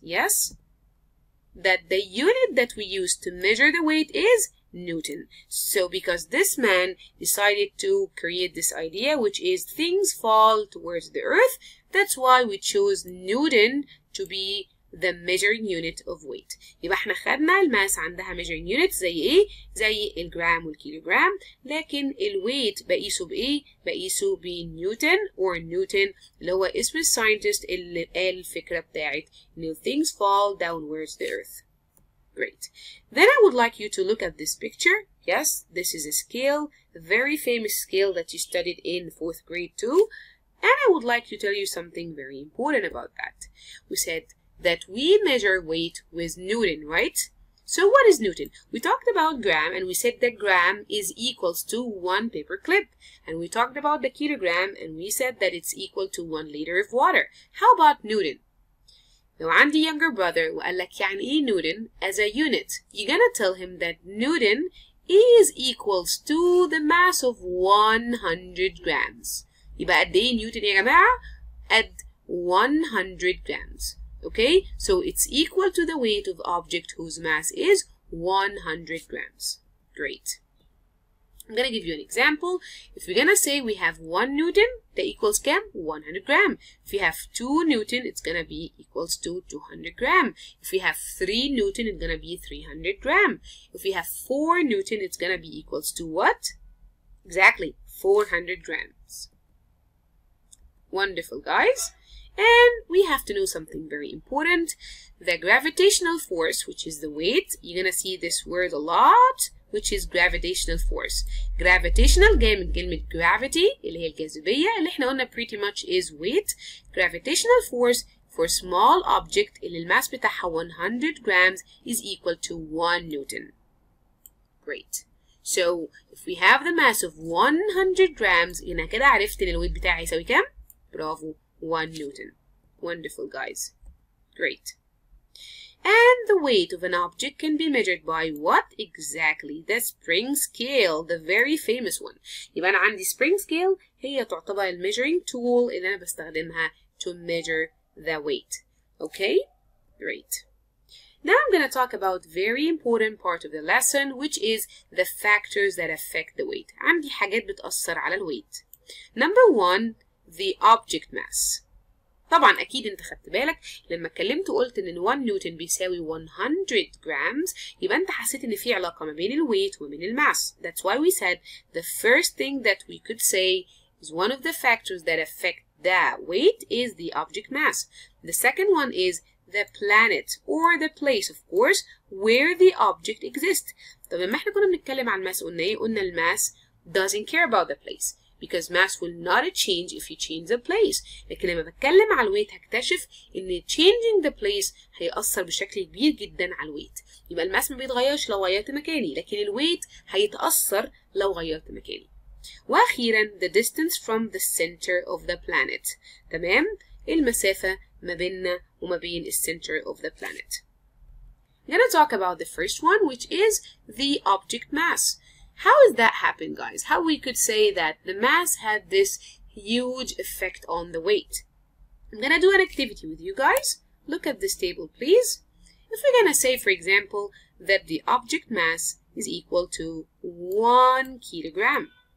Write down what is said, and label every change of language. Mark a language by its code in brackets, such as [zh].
[en] Yes, that the unit that we use to measure the weight is Newton. So because this man decided to create this idea, which is things fall towards the earth, that's why we chose Newton to be the measuring unit of weight. [ar] يبقى احنا خدنا الماس عندها [en] measuring unit [ar] زي ايه؟ زي الجرام والكيلوغرام. لكن الويت بقيسه بايه؟ بقيسه بنيوتن or Newton اللي هو اسم الساينتست اللي قال الفكرة بتاعت [en] new things fall downwards the earth. Great. Then I would like you to look at this picture. Yes, this is a scale, a very famous scale that you studied in fourth grade too. And I would like to tell you something very important about that. We said that we measure weight with Newton, right? So what is Newton? We talked about gram and we said that gram is equals to one paper clip. And we talked about the kilogram and we said that it's equal to 1 liter of water. How about Newton? [ar] لو عندي [en] younger brother [ar] وقال لك يعني ايه [en] Newton as a unit, you're gonna tell him that Newton is equals to the mass of 100 grams. [ar] يبقى قد ايه Newton يا جماعة؟ قد [en] 100 grams. Okay, so it's equal to the weight of object whose mass is 100 grams. Great. I'm gonna give you an example. If we're gonna say we have 1 newton, that equals gram, 100 gram. If we have 2 newton, it's gonna be equals to 200 gram. If we have 3 newton, it's gonna be 300 gram. If we have 4 newton, it's gonna be equals to what? Exactly, 400 grams. Wonderful, guys. And we have to know something very important. The gravitational force, which is the weight, you're gonna see this word a lot, which is gravitational force. [ar] Gravitational جاي من كلمة gravity اللي هي الجاذبية اللي احنا قلنا [en] pretty much is weight. Gravitational force for small object [ar] اللي الماس بتاعها [en] 100 grams is equal to 1 newton. Great. So if we have the mass of 100 grams, [ar] هنا كده عرفت ان الويت بتاعي يساوي كام؟ برافو, [en] 1 newton. Wonderful, guys. Great. And the weight of an object can be measured by what exactly? The spring scale, the very famous one. [ar] يبقى أنا عندي [en] spring scale [ar] هي تعتبر ال [en] measuring tool [ar] اللي أنا بستخدمها [en] to measure the weight. Okay, great. Now I'm going to talk about very important part of the lesson, which is the factors that affect the weight. [ar] عندي حاجات بتأثر على الweight. [en] Number one, the object mass. [ar] طبعا اكيد انت خدت بالك لما اتكلمت وقلت ان 1 نيوتن بيساوي 100 جرامز يبقى انت حسيت ان في علاقه ما بين الويت ومن الماس. [en] That's why we said the first thing that we could say is one of the factors that affect the weight is the object mass. The second one is the planet or the place, of course, where the object exists. [ar] طب لما احنا كنا بنتكلم عن الماس قلنا ايه؟ قلنا الماس [en] doesn't care about the place. Because mass will not change if you change the place. [ar] لكن لما بتكلم على الويت هكتشف ان [en] changing the place [ar] هيأثر بشكل كبير جدا على الويت. يبقى الماس ما بيتغيرش لو غيرت مكاني. لكن الويت هيتأثر لو غيرت مكاني. واخيرا [en] the distance from the center of the planet. [ar] تمام؟ المسافة ما بيننا وما بين [en] the center of the planet. I'm gonna talk about the first one, which is the object mass. How is that happen, guys? How we could say that the mass had this huge effect on the weight? I'm gonna do an activity with you guys. Look at this table, please. If we're gonna say, for example, that the object mass is equal to 1 kilogram.